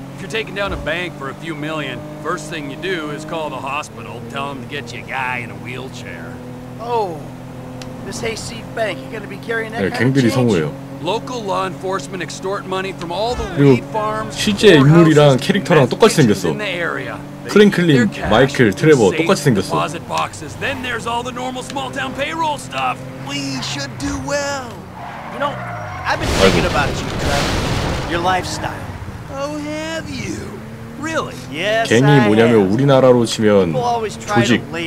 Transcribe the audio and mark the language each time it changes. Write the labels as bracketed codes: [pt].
[en] If you're taking down a bank for a few million, first thing you do is call the hospital, tell them to get you a guy in a wheelchair. Oh. This Hayseed Bank, you gonna be carrying that kind of change? [ko] 갱들이 성우예요. [en] Local law enforcement extort money from all the weed farms. [ko] 실제 인물이랑 캐릭터랑 똑같이 생겼어. 프랭클린, 마이클, 트레버 똑같이 생겼어. [en] Deposit boxes. Then there's all the normal small town payroll stuff. We should do well. You know, I've been thinking about you, Trevor. Your lifestyle. Oh, have you? Really? Yes, I have. [ko] 갱이 뭐냐면 우리나라로 치면 조직.